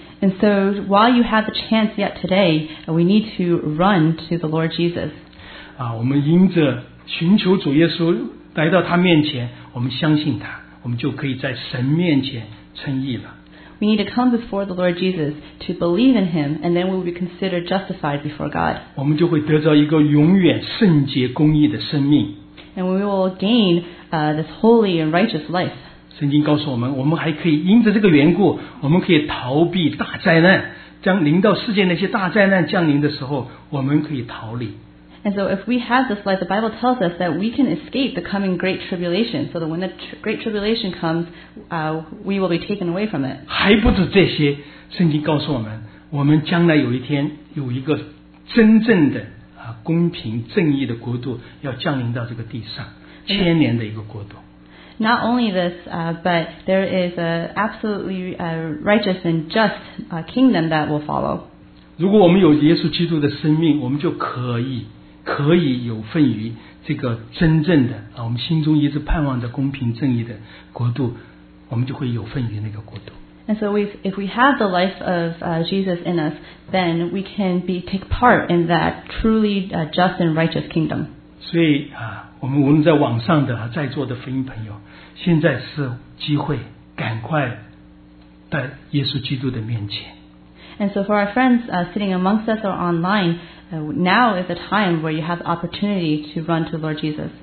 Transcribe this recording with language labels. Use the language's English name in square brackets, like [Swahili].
[English] And so while you have the chance yet today, we need to run to the Lord Jesus. [Chinese] 我们因着寻求主耶稣来到他面前，我们相信他，我们就可以在神面前称义了。 [English] We need to come before the Lord Jesus to believe in Him, and then we will be considered justified before God. [Chinese] 我们就会得着一个永远圣洁公义的生命。 [English] And we will gain this holy and righteous life. [Chinese] 圣经告诉我们，我们还可以因着这个缘故，我们可以逃避大灾难。将临到世界那些大灾难降临的时候，我们可以逃离。 [English] And so if we have this life, the Bible tells us that we can escape the coming great tribulation. So that when the great tribulation comes, we will be taken away from it. [Chinese] 还不止这些，圣经告诉我们，我们将来有一天有一个真正的公平正义的国度要降临到这个地上，千年的一个国度。 [English] Not only this, but there is an absolutely righteous and just kingdom that will follow. [Chinese] 如果我们有耶稣基督的生命，我们就可以有份于这个真正的我们心中一直盼望的公平正义的国度，我们就会有份于那个国度。 [English] And so if we have the life of Jesus in us, then we can be take part in that truly just and righteous kingdom. [Chinese] 所以我们无论在网上的在座的福音朋友，现在是机会，赶快在耶稣基督的面前。 [English] And so for our friends sitting amongst us or online, now is the time where you have the opportunity to run to Lord Jesus.